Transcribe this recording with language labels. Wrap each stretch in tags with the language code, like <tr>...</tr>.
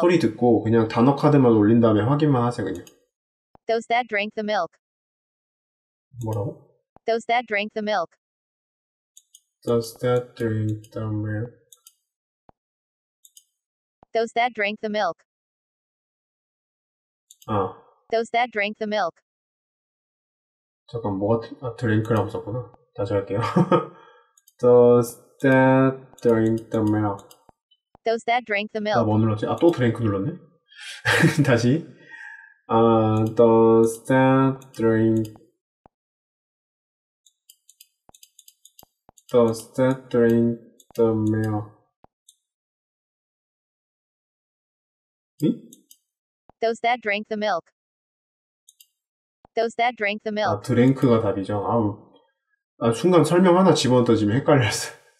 <ko>소리 듣고 그냥 단어 카드만 올린 다음에 확인만 하세요. 그냥.</ko> <en>Those that drank the milk.</en> <ko>뭐라고?</ko> <en>Those that drank the milk. Does that drink the milk? Those that drank the milk.</en> <ko>아.</ko> <en>Those that drank the milk.</en> <ko>잠깐, 뭐가 drink라고 썼구나. 다시 할게요.</ko> <en>Does that drink the milk? Does that drink the milk?</en> <ko>나 뭐 눌렀지? 아, 또 drink 눌렀네? 다시.</ko> <en>Does that drink? Does that drink the milk?</en> <ko>응?</ko> <en>Those that drank the milk. Those that drank the milk.</en> <ko>아, 드링크가 답이죠. 아우, 아, 순간 설명 하나 집어넣었지만 헷갈렸어.</ko>